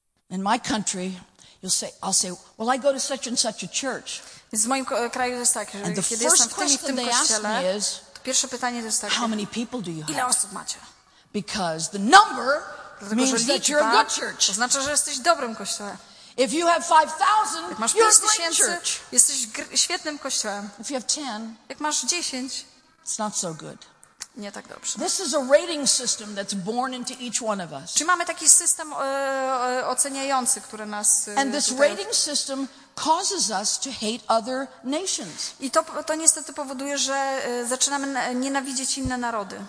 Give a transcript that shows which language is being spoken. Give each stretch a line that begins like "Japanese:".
English: In my country, you'll say, I'll say, well, I go to such and such a church.
Polish: W moim kraju jest tak, że kiedy jestem w tym i w tym kościele, to pierwsze pytanie jest takie,
English: how many people do you have?
Polish: Ile osób macie?
English: Because the number means that you're a good church.
Polish: Oznacza, że jesteś dobrym kościołem.
English: If you have 5,000, you're a great church.
Polish: Jesteś świetnym kościołem.
English: If you have 10,
Polish: jak masz 10,
English: it's not so good.
Polish: Nie tak dobrze.
English: This is a rating system that's born into each one of us.
Polish: Czy mamy taki system oceniający, który nas
English: and this rating system causes us to hate other nations.
Polish: I to niestety powoduje, że zaczynamy nienawidzieć inne narody.